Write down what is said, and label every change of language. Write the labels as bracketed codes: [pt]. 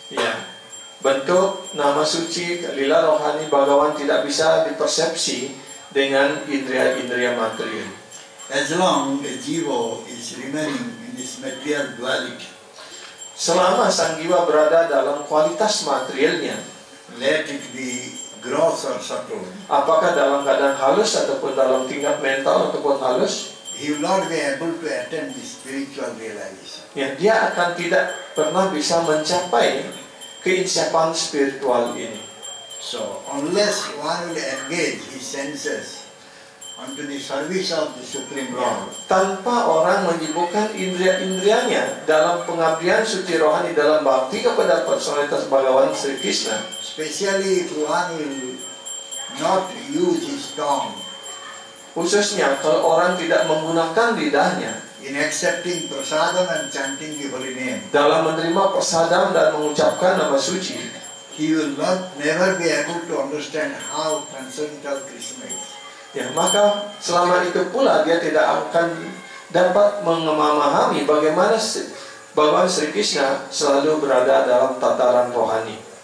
[id] Ya, bentuk, nama suci, lila rohani Bhagawan tidak bisa dipersepsi dengan indria-indria material. [en] As long as jiva is remaining in this material duality, [id] selama sang jiva berada dalam kualitas materialnya, [en] let it be gross or subtle, [id] apakah dalam keadaan halus ataupun dalam tingkat mental ataupun halus, [en] he will not be able to attain the spiritual realization. [id] Ya, dia akan tidak pernah bisa mencapai keinsyapan spiritual ini. [en] So, unless one will engage his senses unto the service of the Supreme Lord, [id] tanpa orang menyibukkan indria-indrianya dalam pengabdian suci rohani dalam bakti kepada personalitas Bhagawan Sri Krishna, [en] especially if one will not use his tongue, [id] khususnya kalau orang tidak menggunakan lidahnya [en] in accepting prasadam and chanting the holy name, [id] dalam menerima prasadam dan mengucapkan nama suci, [en] he will not never be able to understand how transcendental Krishna is. [id] Ya, maka selama itu pula dia tidak akan dapat memahami bagaimana Bhagawan Sri Krishna selalu berada dalam tataran rohani.